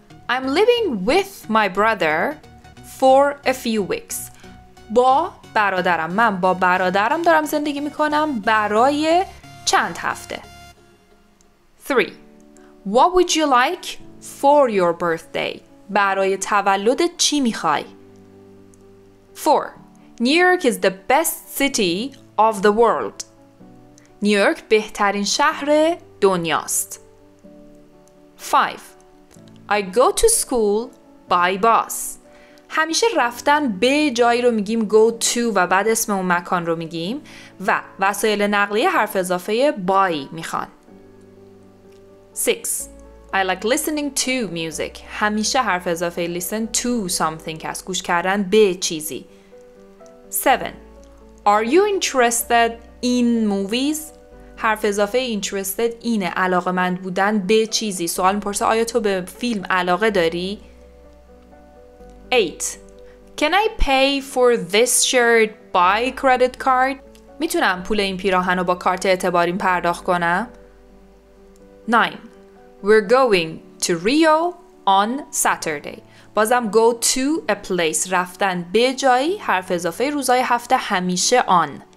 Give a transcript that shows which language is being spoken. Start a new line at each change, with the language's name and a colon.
English: I'm living with my brother for a few weeks.
Persian: با برادرم. من با برادرم دارم زندگی میکنم برای چند هفته.
English: 3. What would you like for your birthday?
Persian: برای تولدت چی میخوای؟ 4.
English: New York is the best city of the world.
Persian: نیویورک بهترین شهر دنیاست.
English: 5. I go to school by bus.
Persian: همیشه رفتن به جایی رو میگیم
English: go to
Persian: و بعد اسم اون مکان رو میگیم و وسایل نقلیه حرف اضافه by میخوان. 6.
English: I like listening to music.
Persian: همیشه حرف اضافه
English: listen to something
Persian: هست. گوش کردن به چیزی.
English: 7. Are you interested in movies?
Persian: حرف اضافه interested اینه، علاقه مند بودن به چیزی. سوال میپرسه آیا تو به فیلم علاقه داری؟ 8.
English: Can I pay for this shirt by credit card?
Persian: میتونم پول این پیراهن رو با کارت اعتباریم پرداخت کنم؟ 9.
English: We're going to Rio on Saturday.
Persian: بازم
English: go to a place،
Persian: رفتن به جایی، حرف اضافه روزای هفته همیشه on.